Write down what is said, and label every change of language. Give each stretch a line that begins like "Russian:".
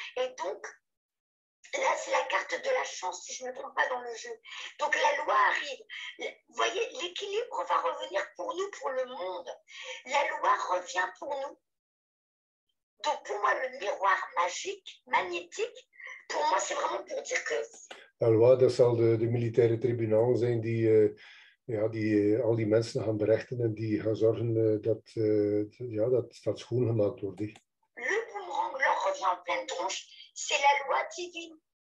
French: Et donc, là, c'est la carte de la chance, si je ne me trompe pas dans le jeu. Donc, la loi arrive. Vous voyez, l'équilibre va revenir pour nous, pour le monde. La loi revient pour nous. Donc, pour moi, le miroir magique, magnétique, pour moi, c'est vraiment pour dire que. La loi,
Dutch: dat zal de militaire tribunaal zijn die, ja, die al die mensen gaan berechten en die gaan zorgen dat schoongemaakt wordt.
French: Le boomerang leur revient en pleine tronche. C'est la loi divine.